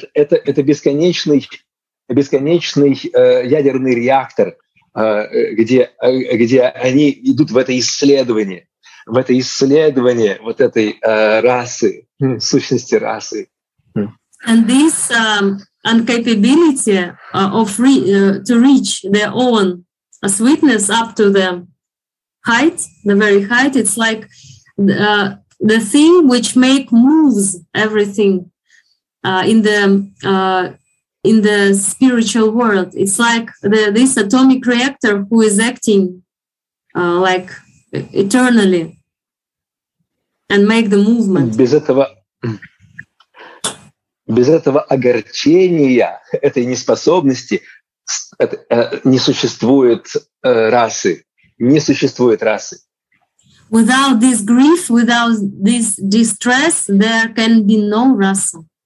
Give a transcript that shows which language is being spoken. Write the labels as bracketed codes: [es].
[ru] Это бесконечный ядерный реактор, где они идут в это исследование. В это исследование вот этой расы, сущности расы. [en] And this incapability of to reach their own sweetness up to them. Height, the very height, it's like the thing which moves everything in the spiritual world. It's like this atomic reactor who is acting like eternally and make the movement. [ru] Без этого огорчения, этой неспособности, не существует расы. Не существует расы. [en] Without this grief, without this distress, there can be no rasa.